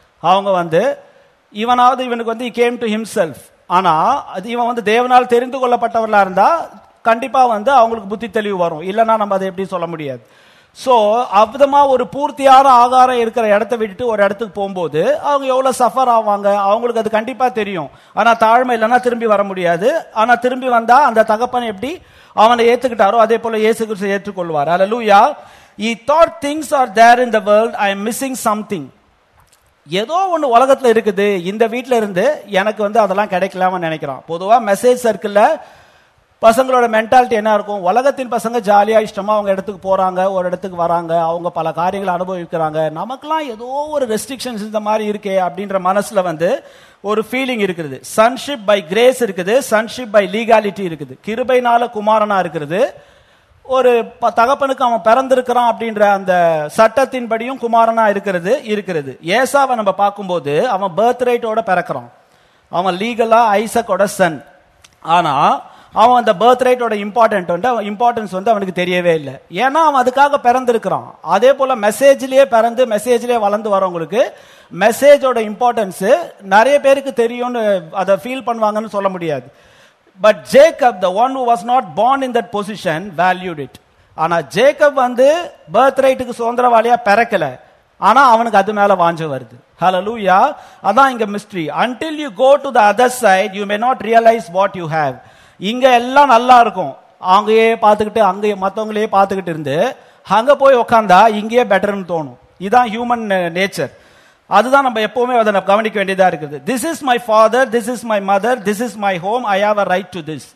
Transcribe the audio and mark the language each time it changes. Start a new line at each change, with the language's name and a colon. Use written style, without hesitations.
Tamil: அவங்க வந்து இவனாவது இவனுக்கு வந்து
English: came to himself,
Tamil: ஆனால் அது இவன் வந்து தேவனால் தெரிந்து கொள்ளப்பட்டவர்களாக இருந்தால் கண்டிப்பாக வந்து அவங்களுக்கு புத்தி தெளிவு வரும், இல்லைன்னா நம்ம அதை எப்படி சொல்ல முடியாது. சோ அவ்விதமா ஒரு பூர்த்தியான ஆகாரம் இருக்கிற இடத்தை விட்டுட்டு ஒரு இடத்துக்கு போகும்போது அவங்க எவ்வளவு சஃபர் ஆவாங்க அவங்களுக்கு அது கண்டிப்பா தெரியும். ஆனா தாழ்மை இல்லைன்னா திரும்பி வர முடியாது. ஆனா திரும்பி வந்தா அந்த தகப்பன் எப்படி அவனை ஏத்துக்கிட்டாரோ அதே போல இயேசு கிறிஸ்து ஏற்றுக்கொள்வார். அல்லேலூயா.
English: He thought things are there in the world. I am missing something.
Tamil: ஏதோ ஒண்ணு உலகத்துல இருக்குது இந்த வீட்டுல இருந்து எனக்கு வந்து அதெல்லாம் கிடைக்கலாமு நினைக்கிறான். பொதுவா மெசேஜ் சர்க்கிள்ல பசங்களோட மென்டாலிட்டி என்ன இருக்கும், உலகத்தின் பசங்க ஜாலியா இஷ்டமா அவங்க இடத்துக்கு போறாங்க, ஒரு இடத்துக்கு வராங்க, அவங்க பல காரியங்களை அனுபவிக்கிறாங்க, நமக்குலாம் ஏதோ ஒரு ரெஸ்ட்ரிக்ஷன்ஸ் இந்த மாதிரி இருக்கே அப்படின்ற மனசுல வந்து ஒரு ஃபீலிங் இருக்குது.
English: sonship by grace
Tamil: இருக்குது,
English: sonship by legality
Tamil: இருக்குது, கிருபைனால குமாரனா இருக்கிறது, ஒரு தகப்பனுக்கு அவன் பிறந்திருக்கிறான் அப்படின்ற அந்த சட்டத்தின் படியும் குமாரனா இருக்கிறது இருக்கிறது. ஏசாவை நம்ம பார்க்கும்போது அவன் பர்த் ரைட்டோட பிறக்கிறான், அவன் லீகலா ஐசக்கோட சன். ஆனா அவன் அந்த பர்த் ரைட்டோட இம்பார்ட்டன்ஸ் வந்து அவனுக்கு தெரியவே இல்லை. ஏன்னா அவன் அதுக்காக பிறந்திருக்கிறான். அதே போல மெசேஜ்லயே பிறந்து மெசேஜ்லயே வளர்ந்து வரவங்களுக்கு மெசேஜோட இம்பார்ட்டன்ஸ் நிறைய பேருக்கு தெரியும்னு அதை ஃபீல் பண்ணுவாங்கன்னு சொல்ல முடியாது.
English: But Jacob, the one who was not born in that position, valued it.
Tamil: ஆனா ஜேக்கப் வந்து பர்த்ரைட்டுக்கு சுதந்திரவாளியா பிறக்கல, ஆனா அவனுக்கு அது மேல வாஞ்ச வருது. ஹல்லேலூயா. அதான் இங்க mystery.
English: Until you go to the other side, you may not realize what you have.
Tamil: இங்க எல்லாம் நல்லா இருக்கும், அங்கேயே பார்த்துக்கிட்டு அங்கேயே மற்றவங்களையே பார்த்துக்கிட்டு இருந்து அங்க போய் உக்காந்தா இங்கேயே பெட்டர்னு தோணும். இதுதான் ஹியூமன் நேச்சர். அதுதான் நம்ம எப்பவுமே அதை கவனிக்க வேண்டியதா இருக்குது.
English: This is my father, this is my mother, this is my home, I have a right to this.